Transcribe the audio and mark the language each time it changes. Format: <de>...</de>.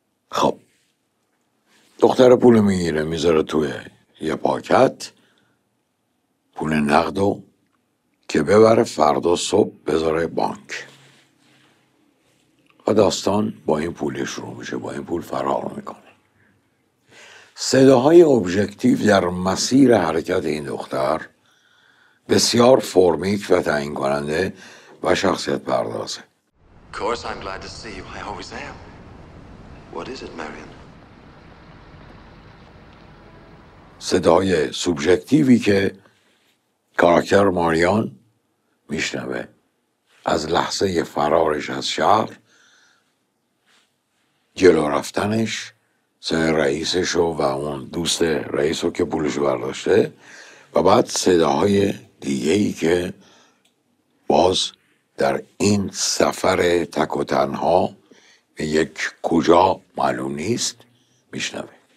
<fa>خب دختر پول میگیره، میذاره توی یه پاکت، پول نقدو که ببره فردا صبح بذاره بانک و داستان با این پول شروع میشه، با این پول فرار میکنه. صداهای ابژکتیو در مسیر حرکت این دختر بسیار فرمیک و تعیین کننده و شخصیت پردازه.</fa> <en>Of course I'm glad to see you. I always am. What is it, Marion?</en> <fa>صدای سوبژکتیوی که کاراکتر ماریان میشنوه از لحظه فرارش از شهر، جلو رفتنش، صدای رئیسش و اون دوست رئیسو که پولش برداشته، و بعد صداهای دیگه‌ای که باز در این سفر تک و تنها به یک کجا معلوم نیست میشنوه.</fa>